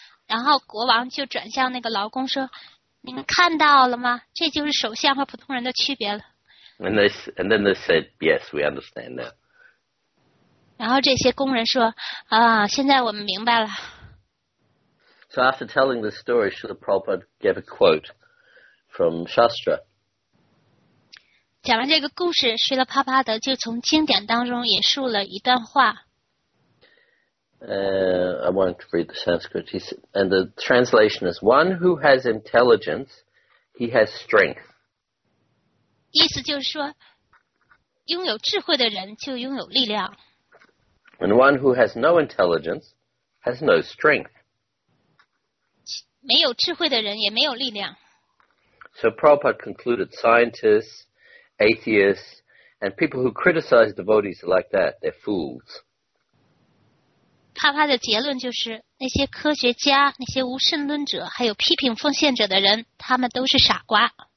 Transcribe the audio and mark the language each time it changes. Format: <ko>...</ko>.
<zh>然后国王就转向那个劳工说：“你们看到了吗？这就是首相和普通人的区别了。”</zh> <en>And then they said, "Yes, we understand that."</en> <zh>然后这些工人说：“啊，现在我们明白了。”</zh> <en>So after telling the story, Srila Prabhupada gave a quote from Shastra.</en> <zh>讲完这个故事，睡了啪啪的就从经典当中引述了一段话。</zh> <en>I want to read the Sanskrit. He said, and the translation is, one who has intelligence, he has strength.</en> <zh>意思就是说，拥有智慧的人就拥有力量。</zh> <en>And one who has no intelligence has no strength.</en> <zh>没有智慧的人也没有力量。</zh> <en>So Prabhupada concluded, scientists,atheists and people who criticize devotees like that, they're fools.</en> <zh>帕帕的结论就是那些科学家、那些无神论者还有批评奉献者的人，他们都是傻瓜。</zh>